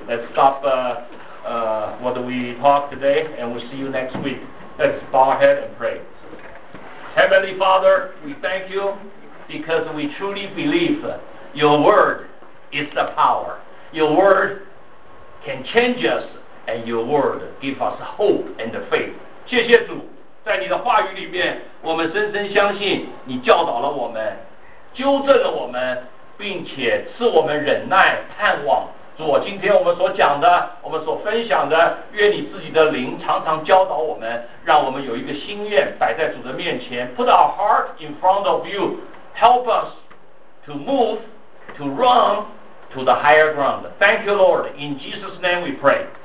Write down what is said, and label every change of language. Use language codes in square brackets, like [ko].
[en] Let's stop what we talk today, and we'll see you next week. Let's bow our head and pray. Heavenly Father, we thank you because we truly believe your word is the power. Your word can change us, and your word give us hope and faith. [zh] 谢谢主，在你的话语里面，我们深深相信你教导了我们，纠正了我们。并且赐我们忍耐盼望，主，今天我们所讲的，我们所分享的，愿你自己的灵常常教导我们，让我们有一个心愿摆在主的面前。 [en] Put our heart in front of you. Help us to move, to run to the higher ground. Thank you, Lord. In Jesus' name we pray.